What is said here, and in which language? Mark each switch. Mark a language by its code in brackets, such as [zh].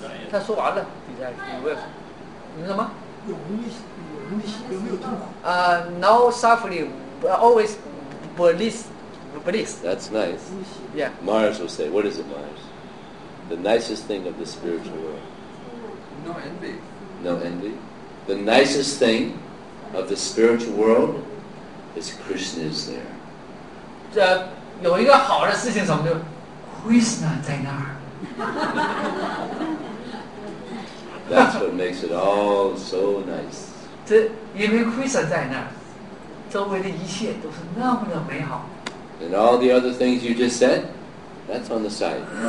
[zh] 他说完了，比赛你问，你什么？有没有痛苦？ [en] No suffering, but always bliss. That's nice. Yeah. Mars will say, "What is it, Mars? The nicest thing of the spiritual world." No envy. No envy. The nicest thing. Of the spiritual world, is Krishna is there. [zh] 这有一个好的事情，什么就 Krishna 在那儿。 [en] That's what makes it all so nice. [zh] 这因为 Krishna 在那儿，周围的一切都是那么的美好。 [en] And all the other things you just said, that's on the side.